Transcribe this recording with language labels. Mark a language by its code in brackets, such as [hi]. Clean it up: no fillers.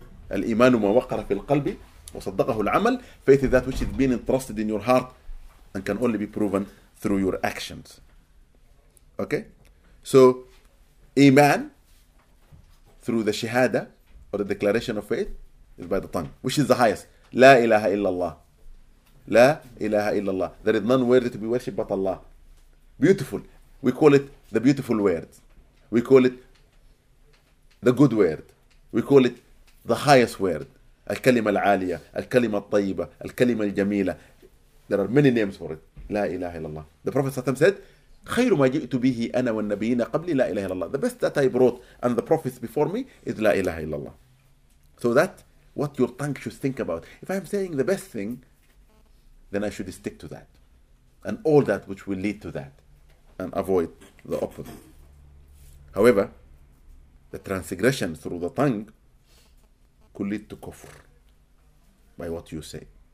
[ar] الإيمان ما وقر في القلب وصدقه العمل. [en] Faith is that which is being entrusted in your heart and can only be proven through your actions. Okay? So, iman, through the shahada, or the declaration of faith, is by the tongue. Which is the highest? [ar] La ilaha illallah. La ilaha illallah. [en] There is none worthy to be worshipped but Allah. Beautiful. We call it the beautiful words. We call it the good word. We call it the highest word. [ar] الكلمة العالية, الكلمة الطيبة, الكلمة الجميلة. [en] There are many names for it. [ar] لا إله إلا الله. [en] The Prophet [ar] صلى الله عليه وسلم [en] said, [ar] خير ما جئت به أنا والنبيين قبلي لا إله إلا الله. [en] The best that I brought and the prophets before me is [ar] لا إله إلا الله. [en] So that what your tongue should think about. If I am saying the best thing, then I should stick to that. And all that which will lead to that. And avoid the opposite. However, the transgression through the tongue could lead to kufr by what you say.